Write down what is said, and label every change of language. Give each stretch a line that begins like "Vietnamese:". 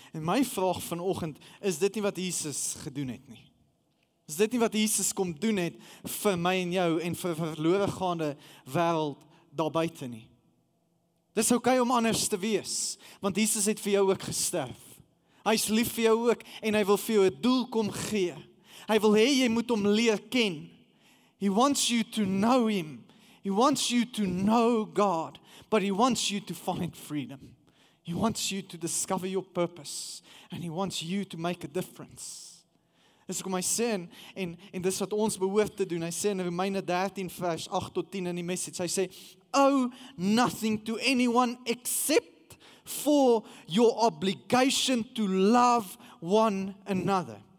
Afrikaans: En my vraag vanoggend, is dit nie wat Jesus gedoen het nie? Is dit nie wat Jesus kom doen het vir my en jou en vir verlore gaande wêreld daar buiten nie. Dis ok om anders te wees, want Jesus het vir jou ook gesterf. Hy is lief vir jou ook, en hy wil vir jou het doel kom gee. Hy wil hê, jy moet hom leer ken.
English: He wants you to know him. He wants you to know God. But he wants you to find freedom. He wants you to discover your purpose. And he wants you to make a difference.
Afrikaans: Dis ek om hy sê, en dis wat ons behoort te doen, hy sê in Romeine 13 vers 8 tot 10 in die message, hy sê,
English: owe nothing to anyone except for your obligation to love one another.